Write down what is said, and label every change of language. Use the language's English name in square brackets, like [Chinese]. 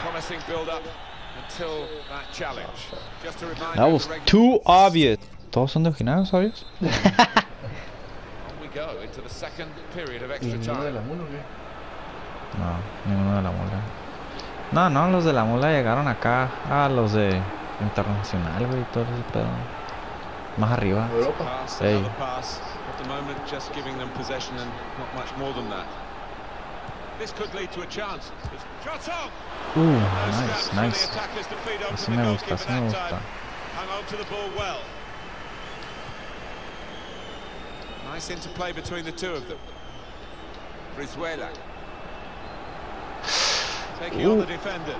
[English] Promising build up until that challenge. Just to remind that was too obvious. [Spanish] Todos son de originales, [English] obvious. On we go into the second period of extra time. [Spanish] No, ninguno de la mula. No, no, los de la mula llegaron acá. Ah, los de internacional, güey, todo ese pedo. Más arriba. Europa. [English] At the moment, just giving them possession and not much more than that. This could lead to a chance. Shot off! Nice. [Spanish] Así me gusta, así me gusta. [English] Hang on to the ball well. Nice interplay between the two of them. Brizuela. Taking on the defenders.